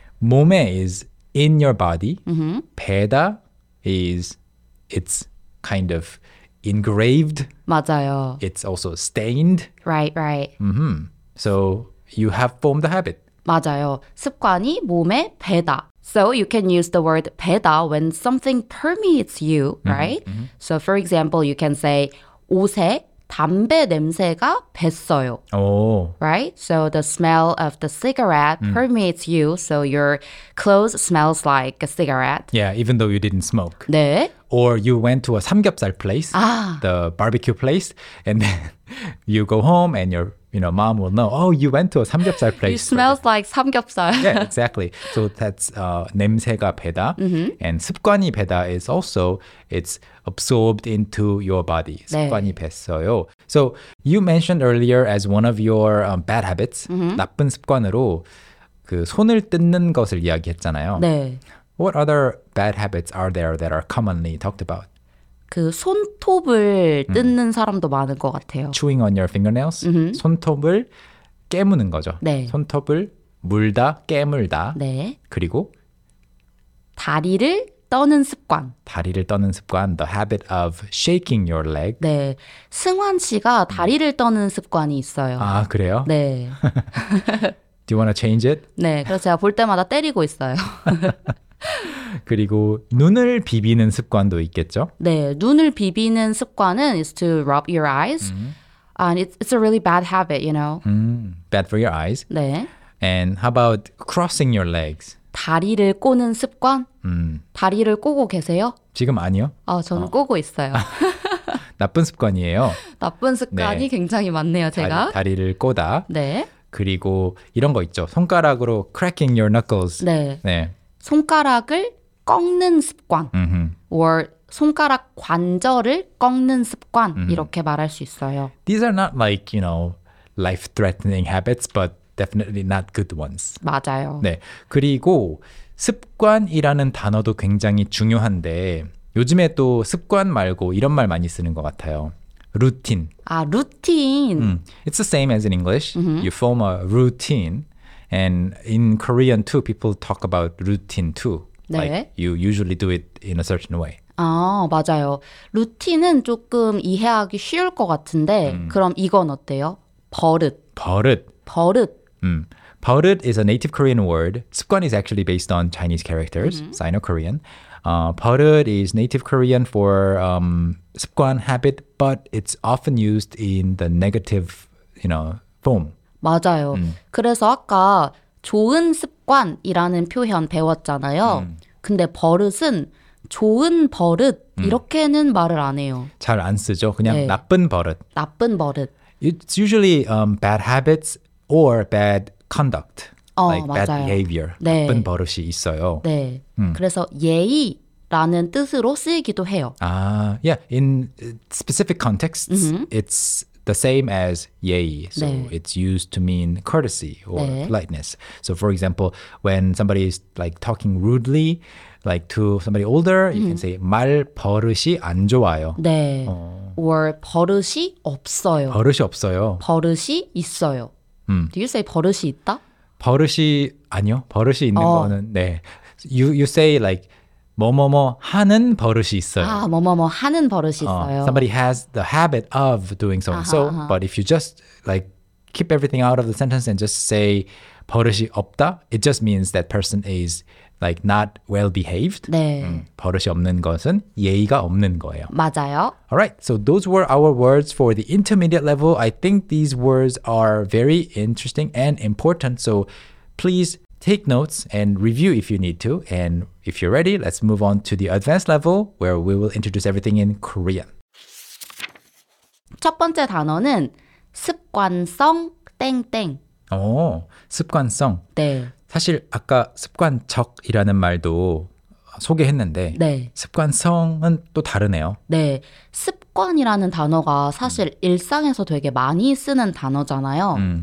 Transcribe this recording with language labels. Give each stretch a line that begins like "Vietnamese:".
English: 몸에 is in your body. Mm-hmm. 배다 is it's kind of engraved.
Korean: 맞아요.
English: It's also stained. Right, right. Mm-hmm. So you have formed the habit.
Korean: 맞아요. 습관이 몸에 배다.
English: So you can use the word 배다 when something permeates you, right? Mm-hmm. So for example, you can say
Korean: 옷에 담배 냄새가 뱄어요.
English: Oh. Right? So the smell of the cigarette permeates you, so your clothes smells like a cigarette. Yeah, even though you didn't smoke.
Korean: 네.
English: Or you went to a 삼겹살 place, the barbecue place, and then you go home and your, you know, mom will know, oh, you went to a 삼겹살 place. It smells like 삼겹살. Yeah, exactly. So that's 냄새가 배다. Mm-hmm. And 습관이 배다 is also, it's absorbed into your body.
Korean: 습관이 뱄어요. 네.
English: So you mentioned earlier as one of your bad habits, mm-hmm.
Korean: 나쁜 습관으로 그 손을 뜯는 것을 이야기했잖아요. 네.
English: What other bad habits are there that are commonly talked about?
Korean: 그 손톱을 뜯는 사람도 많은 것 같아요.
English: Chewing on your fingernails? Mm-hmm.
Korean: 손톱을 깨무는 거죠. 네. 손톱을 물다, 깨물다. 네. 그리고? 다리를 떠는 습관. 다리를 떠는 습관.
English: The habit of shaking your leg.
Korean: 네. 승환 씨가 다리를 떠는 습관이 있어요. 아, 그래요? 네.
English: Do you want to change it?
Korean: 네. 그래서 제가 볼 때마다 때리고 있어요. 그리고 눈을 비비는 습관도 있겠죠? 네, 눈을 비비는 습관은
English: is to rub your eyes. And it's a really bad habit, you know. Bad for your eyes.
Korean: 네.
English: And how about crossing your legs?
Korean: 다리를 꼬는 습관? 다리를 꼬고 계세요? 지금 아니요. 저는 꼬고 있어요. 나쁜 습관이에요. 나쁜 습관이 네. 굉장히 많네요, 제가. 다리를 꼬다. 네. 그리고 이런 거 있죠. 손가락으로
English: cracking your knuckles.
Korean: 네. 네. 손가락을 꺾는 습관 or 손가락 관절을 꺾는 습관 이렇게 말할 수 있어요.
English: These are not like, you know, life-threatening habits, but definitely not good ones.
Korean: 맞아요. 네. 그리고 습관이라는 단어도 굉장히 중요한데 요즘에 또 습관 말고 이런 말 많이 쓰는 것 같아요. 루틴. 아, 루틴.
English: It's the same as in English. Mm-hmm. You form a routine. And in Korean too, people talk about routine too.
Korean: 네.
English: Like you usually do it in a certain way.
Korean: 아, 맞아요. 루틴은 조금 이해하기 쉬울 것 같은데 그럼 이건 어때요? 버릇. 버릇. 버릇.
English: 버릇 is a native Korean word. 습관 is actually based on Chinese characters, Sino-Korean. 버릇 is native Korean for 습관, habit, but it's often used in the negative, you know, form.
Korean: 맞아요. 그래서 아까 좋은 습관이라는 표현 배웠잖아요. 근데 버릇은 좋은 버릇 이렇게는 말을 안 해요. 잘 안 쓰죠. 그냥 네. 나쁜 버릇. 나쁜 버릇.
English: It's usually bad habits or bad conduct. Like
Korean: 맞아요.
English: bad behavior.
Korean: 네. 나쁜 버릇이 있어요. 네. 그래서 예의라는 뜻으로 쓰이기도 해요.
English: 아, yeah. In specific contexts, it's the same as 예의. So
Korean: 네.
English: it's used to mean courtesy or
Korean: 네.
English: politeness. So for example, when somebody is like talking rudely, like to somebody older, you can say
Korean: 말 버릇이 안 좋아요. 네. Or 버릇이 없어요. 버릇이 없어요. 버릇이 있어요.
English: Do you say
Korean: 버릇이 있다? 버릇이 아니요. 버릇이 있는 거는 네.
English: You say like
Korean: 뭐뭐뭐 하는 버릇이 있어요. 아, 뭐뭐뭐 하는 버릇이 있어요.
English: Somebody has the habit of doing so. So, but if you just like keep everything out of the sentence and just say
Korean: 버릇이 없다,
English: it just means that person is like not well behaved.
Korean: 네. 버릇이 없는 것은 예의가 없는 거예요. 맞아요.
English: All right. So those were our words for the intermediate level. I think these words are very interesting and important. So please take notes and review if you need to. And if you're ready, let's move on to the advanced level where we will introduce everything in Korean.
Korean: 첫 번째 단어는 습관성 땡땡. 오, 습관성. 네. 사실 아까 습관적이라는 말도 소개했는데 네. 습관성은 또 다르네요. 네. 습관이라는 단어가 사실 일상에서 되게 많이 쓰는 단어잖아요.